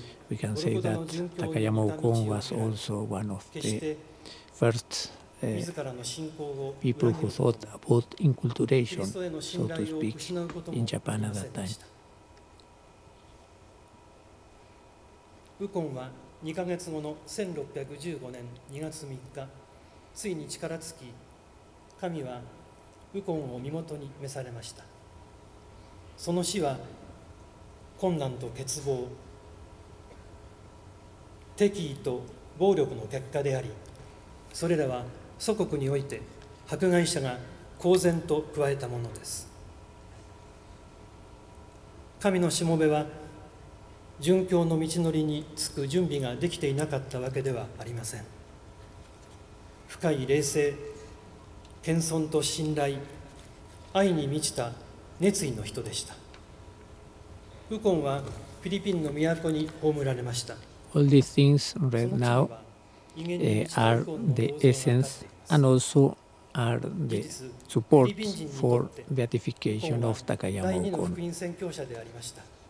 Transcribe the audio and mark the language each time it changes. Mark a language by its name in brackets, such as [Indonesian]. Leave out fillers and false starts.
[English] We can say that Takayama-kun was also one of the first people who thought about inculturation, so to speak, in Japan at that time. [Japanese] ウコンは2ヶ月後の1615年2月3日、ついに力尽き、神はウコンを身元に召されました。その死は困難と欠乏、敵意と暴力の結果であり、それらは祖国において迫害者が公然と加えたものです。神のしもべは殉教の道のりにつく準備ができていなかったわけではありません。深い冷静、謙遜と信頼、愛に満ちた熱意の人でした。ウコンはフィリピンの都に葬られました。 [English] All these things read now are the essence and also are the support for beatification of Takayama-kun.